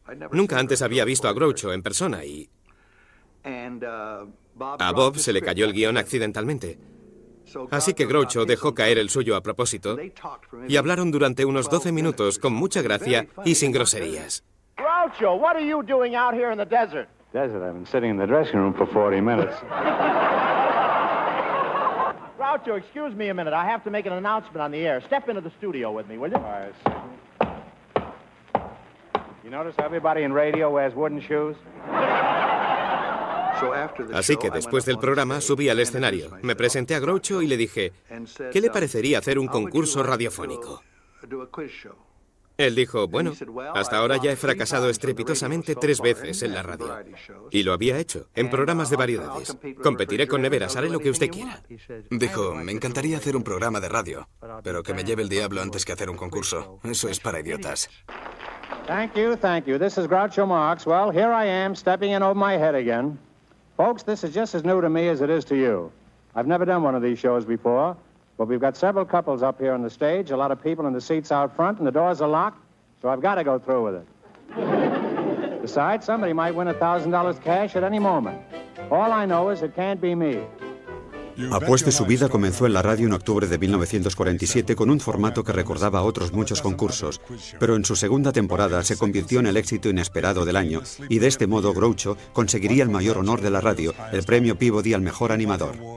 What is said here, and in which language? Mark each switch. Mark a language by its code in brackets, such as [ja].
[es] Nunca antes había visto a Groucho en persona y a Bob se le cayó el guión accidentalmente. Así que Groucho dejó caer el suyo a propósito y hablaron durante unos 12 minutos con mucha gracia y sin groserías. Groucho, ¿qué estás haciendo aquí en el desierto? [en] Desert, I've been sitting in the dressing room for 40 minutes. Groucho, excuse me a minute. I have to make an announcement on the air. Step into the studio with me, will you? All right. You notice everybody in radio wears wooden shoes? [es] Así que después del programa subí al escenario. Me presenté a Groucho y le dije, ¿qué le parecería hacer un concurso radiofónico? Él dijo, bueno, hasta ahora ya he fracasado estrepitosamente 3 veces en la radio. Y lo había hecho, en programas de variedades. Competiré con neveras, haré lo que usted quiera. Dijo, me encantaría hacer un programa de radio, pero que me lleve el diablo antes que hacer un concurso. Eso es para idiotas. [en] Thank you, thank you. This is Groucho Marx. Well, here I am, stepping in over my head again. Folks, this is just as new to me as it is to you. I've never done one of these shows before, but we've got several couples up here on the stage, a lot of people in the seats out front, and the doors are locked, so I've got to go through with it. Besides, somebody might win $1,000 cash at any moment. All I know is it can't be me. [es] Apueste su vida comenzó en la radio en octubre de 1947 con un formato que recordaba a otros muchos concursos, pero en su segunda temporada se convirtió en el éxito inesperado del año y de este modo Groucho conseguiría el mayor honor de la radio, el premio Peabody al mejor animador.